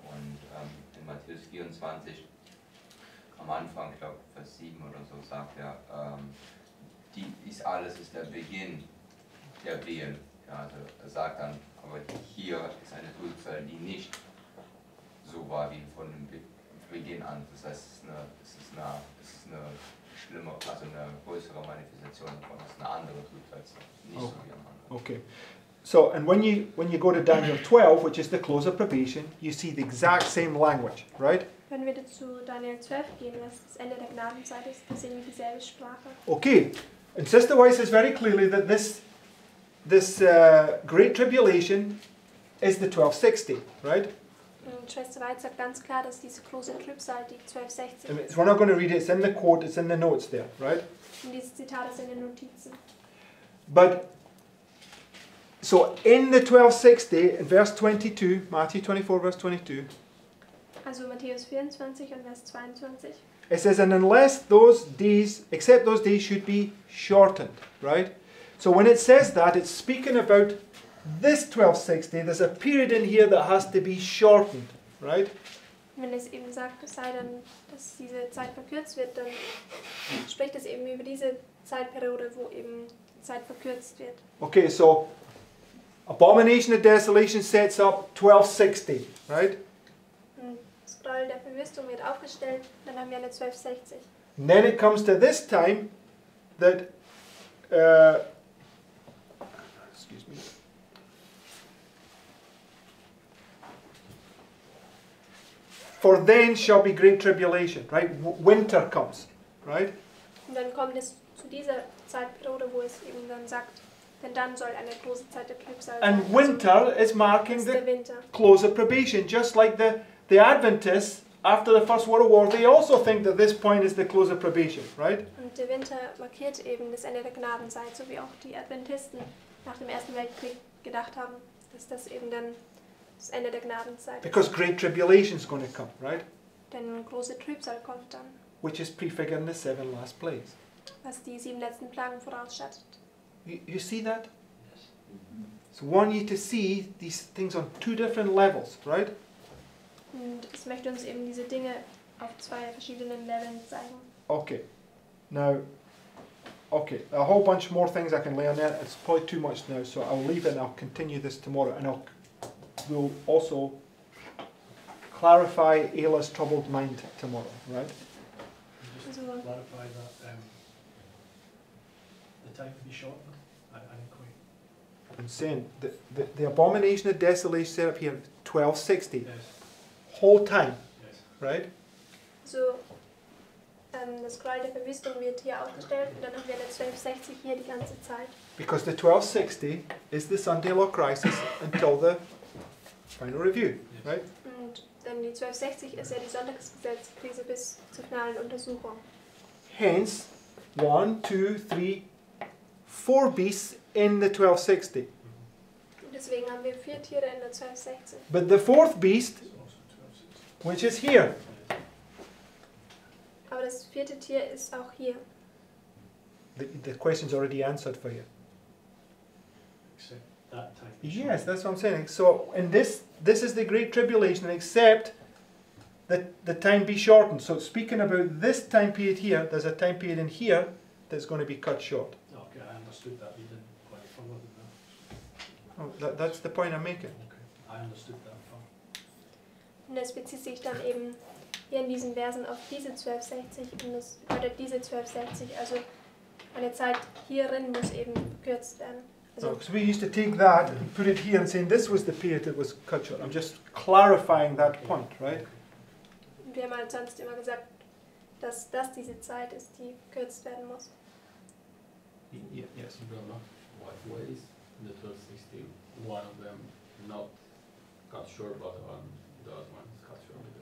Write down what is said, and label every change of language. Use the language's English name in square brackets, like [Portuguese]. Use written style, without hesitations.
[German] Und in Matthäus 24, am Anfang, ich glaube, Vers 7 oder so, sagt er, dies alles ist der Beginn der Wehen. Ja, also er sagt dann, aber hier ist eine Trübsal, die nicht so war wie von dem Beginn an. Das heißt, es ist eine schlimme, also eine größere Manifestation davon. Es ist eine andere Trübsal, nicht okay. So wie am Anfang. Okay. [English] So, and when you go to Daniel 12, which is the close of probation, you see the exact same language, right? [German] Wenn wir zu Daniel 12 gehen, was das Ende der Gnadenzeit ist, sehen wir dieselbe Sprache. [English] Okay, and Sister Weiss says very clearly that this Great Tribulation is the 1260, right? [German] Und Schwester Weiss sagt ganz klar, dass diese große Trübsal die 1260 ist. [English] We're not going to read it, it's in the quote, it's in the notes there, right? [German] Und dieses Zitat ist in den Notizen. [English] But so in the 1260, in verse 22, Matthew 24, verse 22. [German] Also Matthäus 24 und Vers 22. [English] It says, and unless those days, except those days should be shortened, right? So when it says that, it's speaking about this 1260. There's a period in here that has to be shortened, right? [German] Wenn es eben sagt, es sei denn, dass diese Zeit verkürzt wird, dann spricht es eben über diese Zeitperiode, wo eben Zeit verkürzt wird. [English] Okay, so Abomination of Desolation sets up 1260, right? [German] Das Gräuel der Verwüstung wird aufgestellt, dann haben wir eine 1260. [English] And then it comes to this time that excuse me. For then shall be great tribulation, right? Winter comes, right? [German] Und dann kommt es zu dieser Zeitperiode, wo es eben dann sagt, denn dann soll eine große Zeit der Trübsal sein. [English] And winter is marking the close of probation, just like the Adventists after the First World War, they also think that this point is the close of probation, right? [German] Und der Winter markiert eben das Ende der Gnadenzeit, so wie auch die Adventisten nach dem Ersten Weltkrieg gedacht haben, dass das eben dann das Ende der Gnadenzeit. [English] Because great tribulation is going to come, right? [German] Denn große Trübsal kommt dann. [English] Which is prefigured in the seven last plagues. [German] Was die sieben letzten Plagen vorausschattet. [English] You see that? So I want you to see these things on two different levels, right? [German] Und es möchte uns eben diese Dinge auf zwei verschiedenen Leveln zeigen. [English] Okay. Now, okay, a whole bunch more things I can lay on there. It's probably too much now, so I'll leave it and I'll continue this tomorrow. And we'll also clarify Ayla's troubled mind tomorrow, right? Just clarify that the time to be shortened. I'm quite insane. The abomination of desolation set up here, 1260. Yes. Whole time. Yes. Right? [German] So, das Kreuz der Verwüstung wird hier aufgestellt und dann haben wir 1260 hier die ganze Zeit. [English] Because the 1260 is the Sunday Law Crisis until the final review, yes. Right? [German] Und dann die 1260 ist ja die Sonntagsgesetzkrise bis zur finalen Untersuchung. [English] Hence, 1, 2, 3, 4 beasts in the 1260. [German] Und deswegen haben wir 4 Tiere in der 1260. [English] But the fourth beast, which is here. [German] Aber das vierte Tier ist auch hier. [English] The question's already answered for you. Except that type. Yes, that's what I'm saying. So, in this is the Great Tribulation, except that the time be shortened. So, speaking about this time period here, there's a time period in here that's going to be cut short. Okay, I understood that. You didn't quite follow them. Oh, that's the point I'm making. Okay, I understood that far. [German] Und es bezieht sich dann eben hier in diesen Versen auf diese 1260 und das oder diese 1260, also eine Zeit hierin muss eben gekürzt werden. [English] So, we used to take that and put it here and saying this was the period that was cut short. I'm just clarifying that point, right? [German] Und wir haben halt sonst immer gesagt, dass das diese Zeit ist, die gekürzt werden muss. [English] Yes, why is the 1260 one of them not cut short, but the other one is cut short?